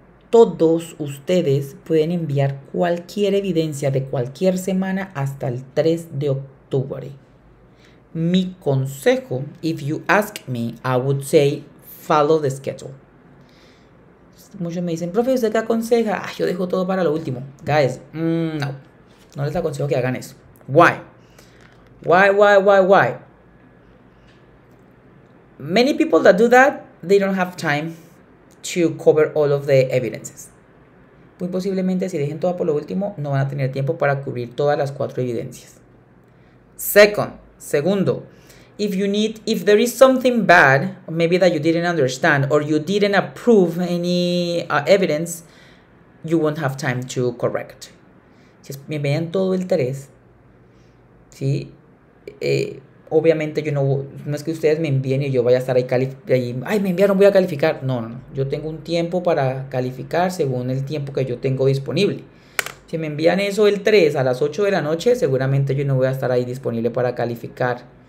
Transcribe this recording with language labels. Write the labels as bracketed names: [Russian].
[Spanish] Todos ustedes pueden enviar cualquier evidencia de cualquier semana hasta el 3 de octubre. Mi consejo, [English] if you ask me, I would say follow the schedule. [Spanish] Muchos me dicen, profe, ¿usted qué aconseja? Ah, yo dejo todo para lo último. Guys, no. No les aconsejo que hagan eso. Why? [English] Why? Many people that do that, they don't have time to cover all of the evidences. [Spanish] Muy posiblemente, si dejen todo por lo último, no van a tener tiempo para cubrir todas las cuatro evidencias. [English] Segundo, if there is something bad, maybe that you didn't understand, or you didn't approve any evidence, you won't have time to correct. [Spanish] Si me vean todo el 3, ¿sí? Obviamente, no es que ustedes me envíen y yo vaya a estar ahí, ay, me enviaron, voy a calificar. No. Yo tengo un tiempo para calificar según el tiempo que yo tengo disponible. Si me envían eso el 3 a las 8 de la noche, seguramente yo no voy a estar ahí disponible para calificar.